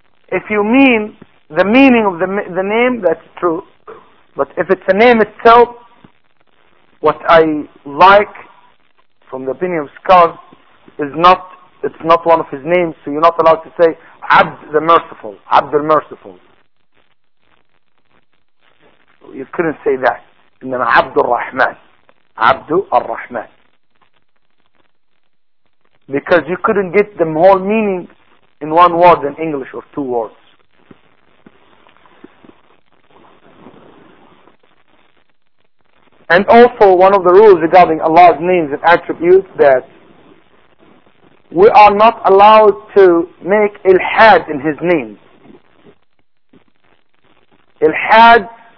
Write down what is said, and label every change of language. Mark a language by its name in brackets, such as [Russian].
[English] If you mean the meaning of the name, that's true. But if it's a name itself, what I like from the opinion of scholars is not, it's not one of his names, so you're not allowed to say Abd the Merciful, Abd al-Merciful. You couldn't say that. [Arabic] إنما عبد الرحمن, عبد الرحمن. [English] Because you couldn't get the whole meaning in one word in English or two words. And also one of the rules regarding Allah's names and attributes that we are not allowed to make ilhad in his name. Ilhad